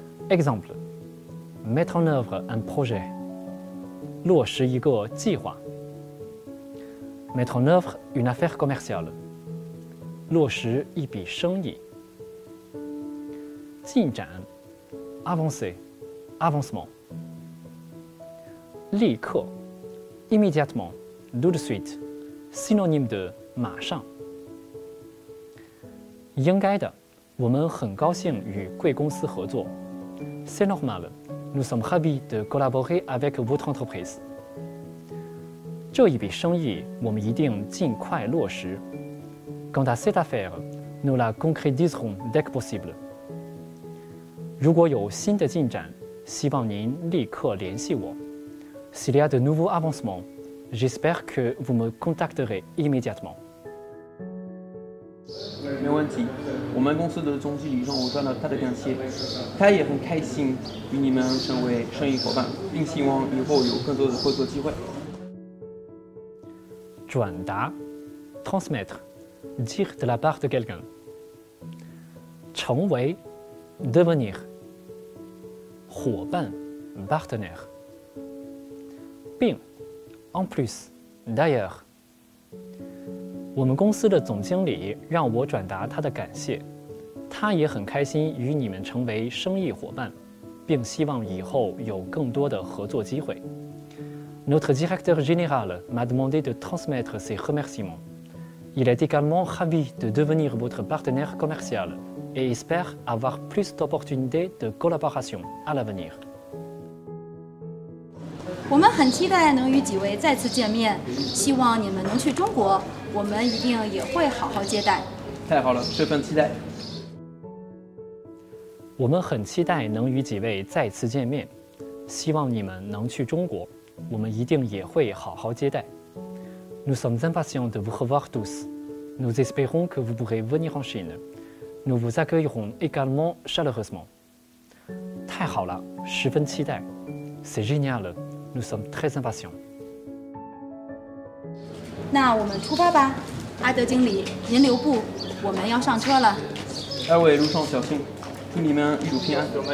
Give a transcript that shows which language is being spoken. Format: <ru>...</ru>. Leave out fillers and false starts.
<fr>Exemple, mettre en œuvre un projet. 落实一个计划 Mettre en œuvre une affaire commerciale 落实一笔生意进展 Avancer Avancement 立刻 Immédiatement Tout de suite Synonyme de 马上</fr> <zh>应该的我们很高兴与贵公司合作</zh> <fr>C'est normal Nous sommes ravis de collaborer avec votre entreprise</fr> <zh>这一笔生意我们一定尽快落实。</zh> <fr>Quant à cette affaire, nous la concrétiserons dès que possible.</fr> <zh>如果有新的进展，希望您立刻联系我。</zh> <fr>S'il y a de nouveaux avancements, j'espère que vous me contacterez immédiatement.</fr> <zh>没问题，我们公司的总经理让我赚了他的感谢，他也很开心与你们成为生意伙伴，并希望以后有更多的合作机会。</zh> <fr>转达 transmettre, dire de la part de quelqu'un. 成为 devenir, 伙伴 partenaire. 并 en plus, d'ailleurs.</fr> <zh>我们公司的总经理让我转达他的感谢，他也很开心与你们成为生意伙伴，并希望以后有更多的合作机会。</zh> <fr>Notre directeur général m'a demandé de transmettre ses remerciements. Il est également ravi de devenir votre partenaire commercial et espère avoir plus d'opportunités de collaboration à l'avenir.</fr> <zh>我们很期待能与几位再次见面，希望你们能去中国，我们一定也会好好接待。太好了，这份期待。我们很期待能与几位再次见面，希望你们能去中国，我们一定也会好好接待。</zh> <fr>Nous sommes impatients de vous revoir tous. Nous espérons que vous pourrez venir en Chine. Nous vous accueillerons également chaleureusement.</fr> <zh>太好了，十分期待。</zh> <fr>C'est génial. Nous sommes très impatients.</fr> <zh>那我们出发吧，阿德经理，您留步，我们要上车了。二位路上小心，祝你们一路平安。</zh>